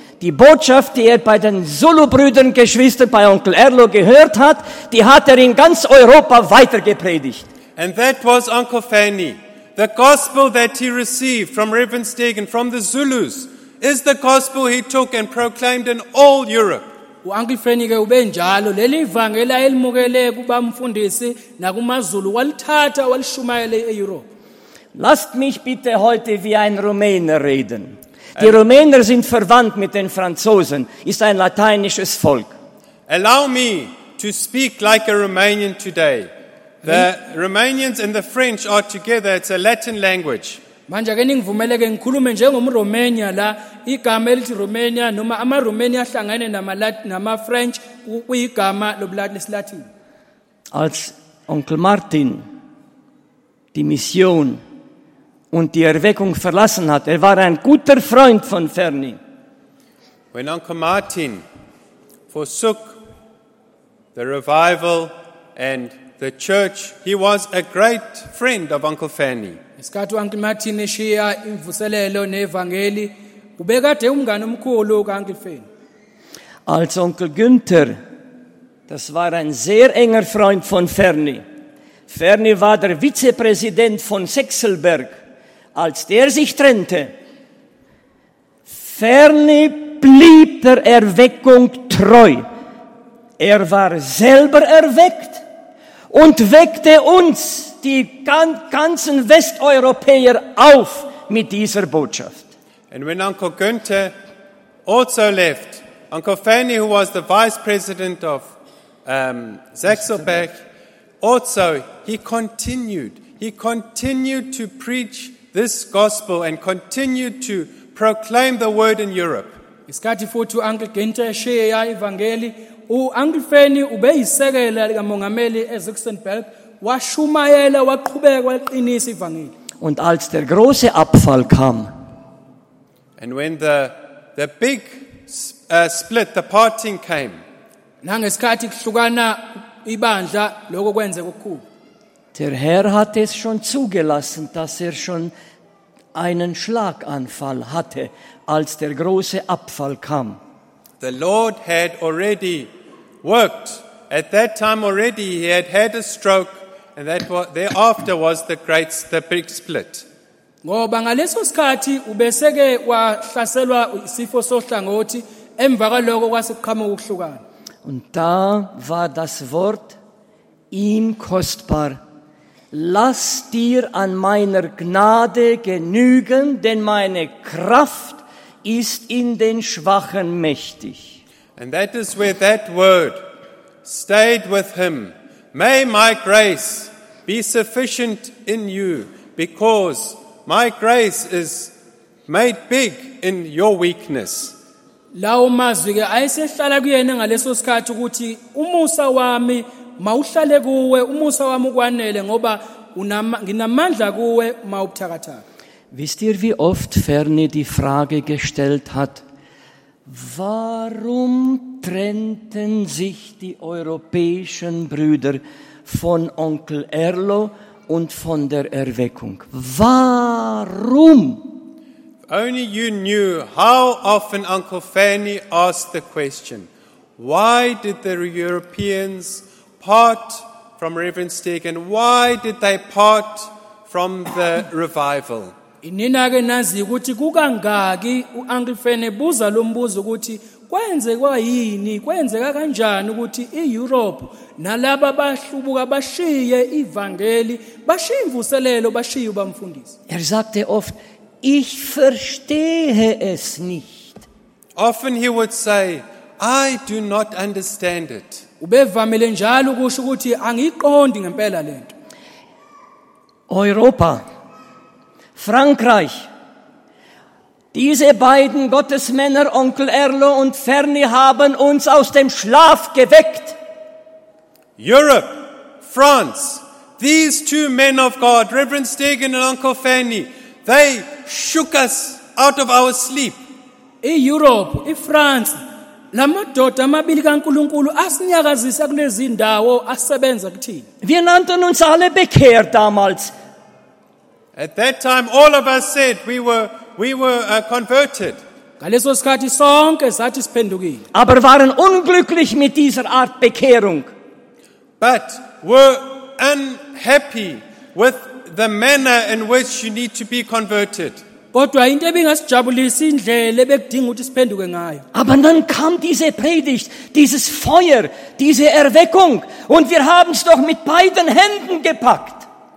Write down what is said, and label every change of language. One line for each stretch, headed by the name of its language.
German: Die Botschaft, die er bei den Zulu-Brüdern, Geschwistern, bei Onkel Erlo gehört hat, die hat er in ganz Europa weitergepredigt.
English: And that was Uncle Fanny. The gospel that he received from Reverend Stegen, from the Zulus, is the gospel he took and proclaimed in all Europe.
Zulu: U-Uncle Fanny ke ube njalo, leli ivangeli ayelimukele kubamfundisi nakumaZulu, walithatha walishumayela e-Europe.
German: Lasst mich bitte heute wie ein Rumäner reden. Die Rumäner sind verwandt mit den Franzosen, ist ein lateinisches Volk.
English: Allow me to speak like a Romanian today. The Romanians and the French are together. It's a Latin language.
Zulu: Manje ke ningivumeleke ngikhulume njengomRomania la igama elithi Romania noma amaRomania ahlangene nama French kuyigama lobulatini.
German: Als Onkel Martin die Mission und die Erweckung verlassen hat, er war ein guter Freund von Ferni.
English: When Uncle Martin forsook the revival and the church, he was a great friend of Uncle Fanny.
Zulu: Isikhathi uUncle Martin eshiya imvuselelo nevangeli, ubekade umngane omkhulu kaUncle Fanny.
German: Als Onkel Günther, das war ein sehr enger Freund von Ferni. Ferni war der Vizepräsident von Sechselberg. Als der sich trennte, Ferni blieb der Erweckung treu. Er war selber erweckt. Und weckte uns, die ganzen Westeuropäer, auf mit dieser Botschaft.
English: And when Uncle Günther also left, Uncle Fanny, who was the vice president of Sachsenberg, also he continued to preach this gospel and continued to proclaim the word in Europe.
Zulu: Isikhathi futhi uUncle Günther eshiya ivangeli, uUncle Fanny ubeyisekela likaMongameli eZuckersberg, washumayela, waqhubeka, waliqinisa ivangeli.
German: Und als der große Abfall kam,
English: and when the big split, the parting came,
Zulu: nangesikhathi kuhlukana ibandla, lokho kwenzeka okukhulu,
German: Der Herr hat es schon zugelassen, dass er schon einen Schlaganfall hatte, als der große Abfall kam.
English: The Lord had already worked. At that time already he had had a stroke, and that was, thereafter was the big split.
Zulu: Ngoba ngaleso sikhathi ubeseke wahlaselwa isifo sohlangothi emva kwaloko kwasekuqhamuka ukuhlukana.
German: Und da war das Wort ihm kostbar. Lass dir an meiner Gnade genügen, denn meine Kraft ist in den Schwachen mächtig.
English: And that is where that word stayed with him. May my grace be sufficient in you, because my grace is made big in your weakness.
Zulu: Lawo mazwi ke ayisehlala kuyena ngaleso sikhathi ukuthi umusa wami mawuhlale kuwe, umusa wami ukwanele ngoba nginamandla kuwe mawubuthakathaka.
German: Wisst ihr, wie oft Ferne die Frage gestellt hat, warum trennten sich die europäischen Brüder von Onkel Erlo und von der Erweckung? Warum?
English: Only you knew how often Uncle Fanny asked the question, why did the Europeans part from Reverend Steg, and why did they part from the revival?
Zulu: Inina ke nazi ukuthi kukangaki uUncle Fanny buza lo mbuzo ukuthi kwenzeka yini, kwenzeka kanjani ukuthi iEurope nalabo abahlubuka bashiye ivangeli, bashiye imvuselelo, bashiye ubamfundisi.
German: Er sagte oft, ich verstehe es nicht.
English: Often he would say, I do not understand it.
Zulu: Ubevamile njalo ukusho ukuthi angiqondi ngempela lento.
German: Europa, Frankreich, diese beiden Gottesmänner, Onkel Erlo und Ferny, haben uns aus dem Schlaf geweckt.
English: Europe, France, these two men of God, Reverend Stegen and Uncle Ferny, they shook us out of our sleep.
Zulu: EUrope, eFrance, lamadoda amabili kaNkuluNkulu asinyakazisa kulezi ndawo asebenza kuthini.
German: Wir nannten uns alle bekehrt damals.
English: At that time, all of us said we were converted.
Zulu: Ngaleso sikhathi sonke sathi siphendukile.
German: Aber waren unglücklich mit dieser Art Bekehrung.
English: But were unhappy with the manner in which you need to be converted.
Zulu: Kodwa into ebingasijabulisa indlela ebekudinga ukuthi siphenduke ngayo.
German: Aber dann kam diese Predigt, dieses Feuer, diese Erweckung, und wir haben es doch mit beiden Händen gepackt.